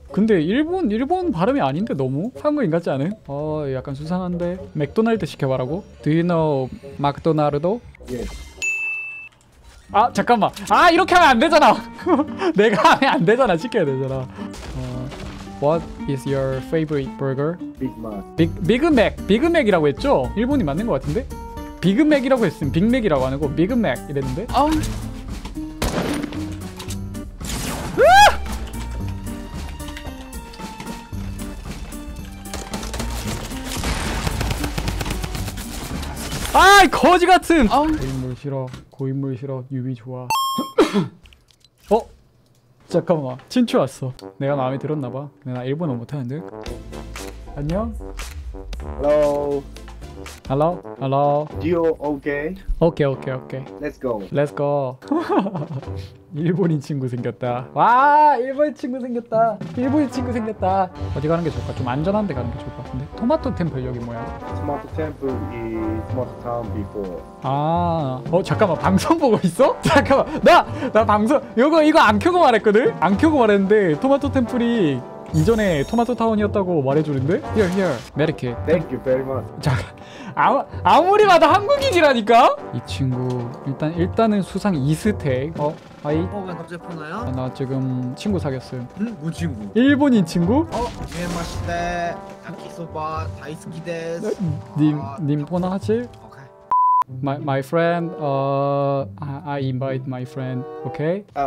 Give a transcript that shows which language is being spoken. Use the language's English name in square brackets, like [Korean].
[Korean] 근데 일본 발음이 아닌데 너무? 한국인 같지 않은? 어, 약간 수상한데. 맥도날드 시켜봐라고? [English] Do you know 맥도날드? Yeah. [Korean] 아, 잠깐만. 아, 이렇게 하면 안 되잖아. 내가 하면 안 되잖아. 시켜야 되잖아. [English] What is your favorite burger? Big Mac. Big Mac. [Korean] Big Mac이라고 했죠? 일본이 맞는 것 같은데? 빅맥이라고 했으면 빅맥이라고 안 하고 빅맥 이랬는데? 아! 아! 거지 같은! 아! 고인물 싫어. 고인물 싫어. 유비 좋아. 어? 잠깐만. 친추 왔어. 내가 마음에 들었나 봐. 내가 일본어 못하는데? 안녕? [English] Hello. Hello? Hello? You okay? Okay, okay, okay. Let's go. Let's go. [Korean] 일본인 친구 생겼다. 와, 일본인 친구 생겼다. 일본인 친구 생겼다. 어디 가는 게 좋을까? 좀 안전한 데 가는 게 좋을 것 같은데? 토마토 템플 여기 뭐야? [English] 토마토 템플 is most town before. [Korean] 아, 어 잠깐만 방송 보고 있어? 잠깐만, 나 방송 이거 안 켜고 말했거든? 안 켜고 말했는데 토마토 템플이 이전에 토마토 타운이었다고 말해주는데? [English] Here, here. Medicaid. Thank you very much. [Korean] 자, 아무리 봐도 한국인이라니까? 이 친구, 일단은 수상 이스택. 어? 하이? 어, 왜 갑자기 폰나요? 나 지금 친구 사귀었음. 응? 뭐 친구? 일본인 친구? 어? 안녕하세요. [Japanese] 야키소바 다이스키데스. [Korean] 님 폰 하지? 오케이. [English] My friend, I invite my friend, okay?